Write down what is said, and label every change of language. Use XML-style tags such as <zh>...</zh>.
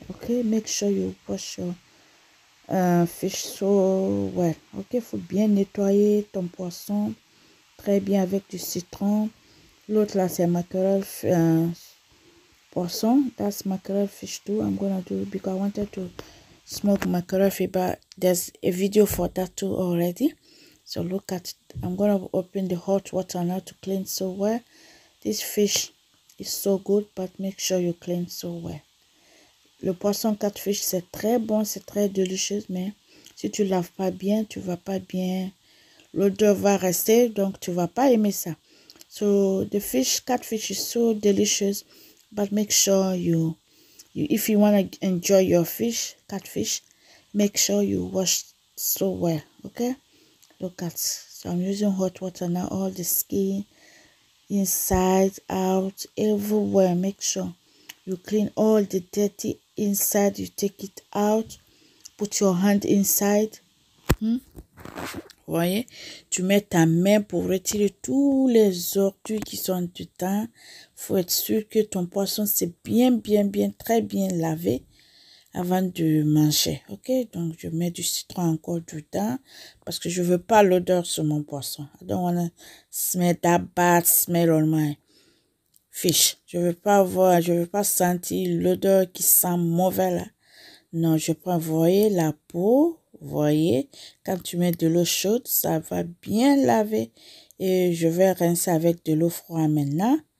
<en>Okay, make sure you wash your fish so well.</en> <fr>Okay, faut bien nettoyer ton poisson très bien avec du citron. L'autre là, c'est mackerel poisson.</fr> <en>That's mackerel fish too. I'm gonna do because I wanted to smoke mackerel fish, but there's a video for that too already. So look at. I'm gonna open the hot water now to clean so well. This fish is so good, but make sure you clean so well.</en> <fr>Le poisson catfish, c'est très bon, c'est très délicieux, mais si tu laves pas bien, tu vas pas bien. L'odeur va rester, donc tu vas pas aimer ça.</fr> <en>So, the fish, catfish is so delicious, but make sure you if you want to enjoy your fish, catfish, make sure you wash so well, okay? Look at, so I'm using hot water now, all the skin. Inside, out, everywhere. Make sure you clean all the dirty inside. You take it out. Put your hand inside.</en> <fr>Voyez, tu mets ta main pour retirer tous les ordures qui sont dedans. Faut être sûr que ton poisson s'est bien, très bien lavé avant de manger. Ok, donc je mets du citron encore dedans parce que je veux pas l'odeur sur mon poisson.</fr> <en>I don't want to smell that bad smell on my fish.</en> <fr>Je veux pas voir, je veux pas sentir l'odeur qui sent mauvais là. Non, je prends, voyez la peau, voyez, quand tu mets de l'eau chaude, ça va bien laver et je vais rincer avec de l'eau froide maintenant.</fr>